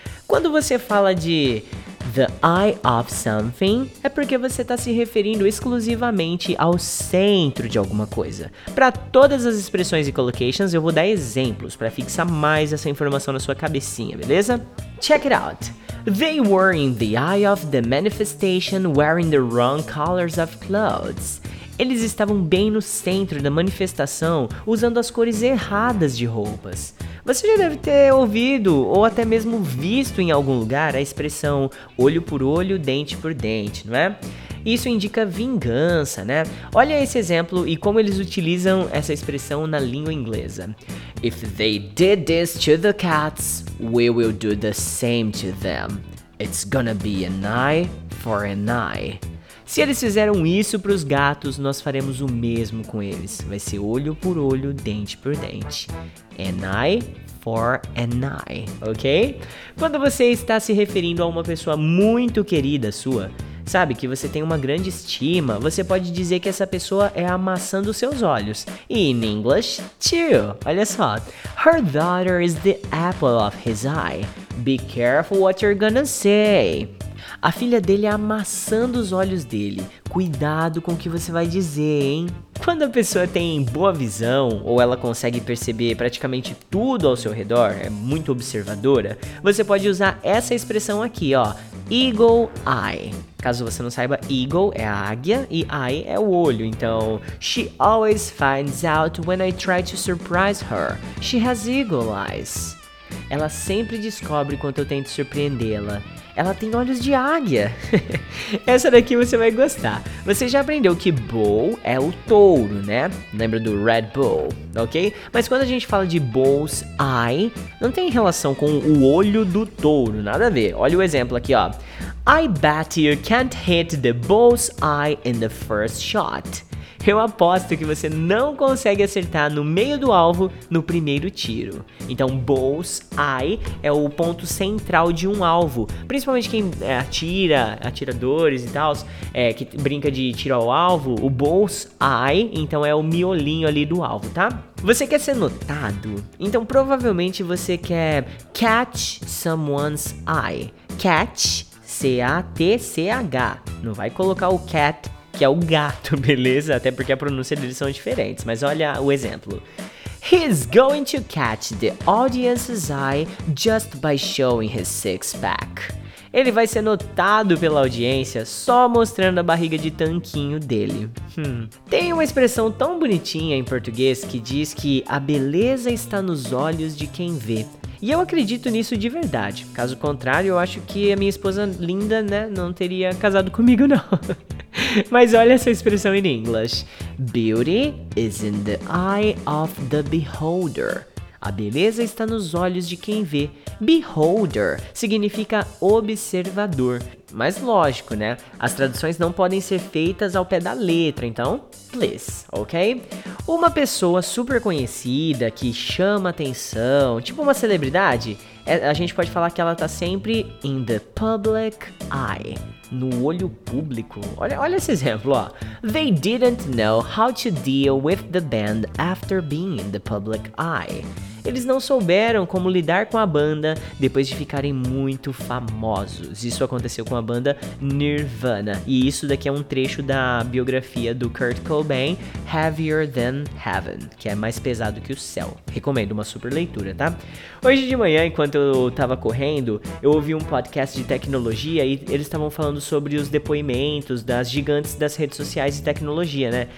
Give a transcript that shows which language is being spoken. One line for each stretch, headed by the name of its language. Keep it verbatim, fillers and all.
Portuguese: Quando você fala de
English: the eye of something,
Portuguese: é porque você está se referindo exclusivamente ao centro de alguma coisa. Para todas as expressões e collocations, eu vou dar exemplos para fixar mais essa informação na sua cabecinha, beleza?
English: Check it out. They were in the eye of the manifestation wearing the wrong colors of clothes.
Portuguese: Eles estavam bem no centro da manifestação, usando as cores erradas de roupas. Você já deve ter ouvido ou até mesmo visto em algum lugar a expressão olho por olho, dente por dente, não é? Isso indica vingança, né? Olha esse exemplo e como eles utilizam essa expressão na língua inglesa.
English: If they did this to the cats, we will do the same to them. It's gonna be an eye for an eye.
Portuguese: Se eles fizeram isso para os gatos, nós faremos o mesmo com eles. Vai ser olho por olho, dente por dente.
English: An eye for an eye, ok?
Portuguese: Quando você está se referindo a uma pessoa muito querida sua, sabe que você tem uma grande estima, você pode dizer que essa pessoa é a maçã dos seus olhos. E
English: in English, too.
Portuguese: Olha só.
English: Her daughter is the apple of his eye. Be careful what you're gonna say.
Portuguese: A filha dele é a maçã dos olhos dele. Cuidado com o que você vai dizer, hein? Quando a pessoa tem boa visão ou ela consegue perceber praticamente tudo ao seu redor, é muito observadora, você pode usar essa expressão aqui, ó. Eagle eye. Caso você não saiba, eagle é a águia e eye é o olho.
English: Então, she always finds out when I try to surprise her. She has eagle eyes.
Portuguese: Ela sempre descobre quando eu tento surpreendê-la. Ela tem olhos de águia. Essa daqui você vai gostar. Você já aprendeu que bull é o touro, né? Lembra do Red Bull, ok? Mas quando a gente fala de bull's eye, não tem relação com o olho do touro, nada a ver. Olha o exemplo aqui, ó.
English: I bet you can't hit the bull's eye in the first shot.
Portuguese: Eu aposto que você não consegue acertar no meio do alvo no primeiro tiro. Então, bull's eye é o ponto central de um alvo. Principalmente quem atira, atiradores e tal, é, que brinca de tiro ao alvo, o bull's eye, então é o miolinho ali do alvo, tá? Você quer ser notado? Então, provavelmente você quer
English: catch someone's eye.
Portuguese: Catch, C A T C H. Não vai colocar o cat, que é o gato, beleza? Até porque a pronúncia deles são diferentes, mas olha o exemplo.
English: He's going to catch the audience's eye just by showing his six-pack.
Portuguese: Ele vai ser notado pela audiência só mostrando a barriga de tanquinho dele. Hum. Tem uma expressão tão bonitinha em português que diz que a beleza está nos olhos de quem vê. E eu acredito nisso de verdade. Caso contrário, eu acho que a minha esposa linda, né, não teria casado comigo, não. Mas olha essa expressão em inglês.
English: Beauty is in the eye of the beholder.
Portuguese: A beleza está nos olhos de quem vê. Beholder significa observador. Mas lógico, né? As traduções não podem ser feitas ao pé da letra, então, please, ok? Uma pessoa super conhecida que chama atenção, tipo uma celebridade, a gente pode falar que ela tá sempre
English: in the public eye,
Portuguese: no olho público. Olha, olha esse exemplo, ó.
English: They didn't know how to deal with the band after being in the public eye.
Portuguese: Eles não souberam como lidar com a banda depois de ficarem muito famosos. Isso aconteceu com a banda Nirvana. E isso daqui é um trecho da biografia do Kurt Cobain, Heavier Than Heaven, que é mais pesado que o céu. Recomendo uma super leitura, tá? Hoje de manhã, enquanto eu tava correndo, eu ouvi um podcast de tecnologia e eles estavam falando sobre os depoimentos das gigantes das redes sociais de tecnologia, né?